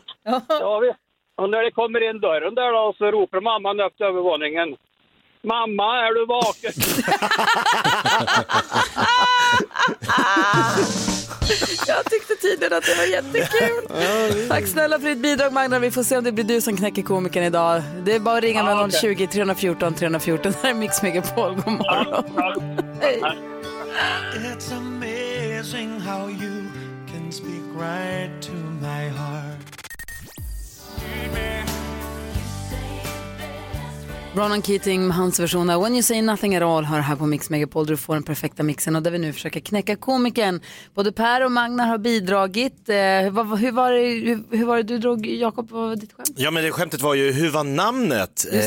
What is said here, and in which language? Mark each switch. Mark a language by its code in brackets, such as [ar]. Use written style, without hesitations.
[sv] Ja, och när det kommer in dörren där då, så ropar mamman upp till övervåningen: mamma, är du vaken? Jag tyckte tidigare att det var jättekul. Tack snälla för ditt bidrag, Magna. Vi får se om det blir du som knäcker komikern idag. Det är bara att ringa med 020 314 314. Det här är Mix Megapol. God morgon. [en] It's amazing how you can speak right to my heart. [sv] Ronan Keating med hans version av When You Say Nothing At All hör här på Mix Megapol. Du får den perfekta mixen, och där vi nu försöker knäcka komiken. Både Per och Magna har bidragit. Hur var det du drog, Jakob, ditt skämt? Ja, men det skämtet var ju, hur var namnet?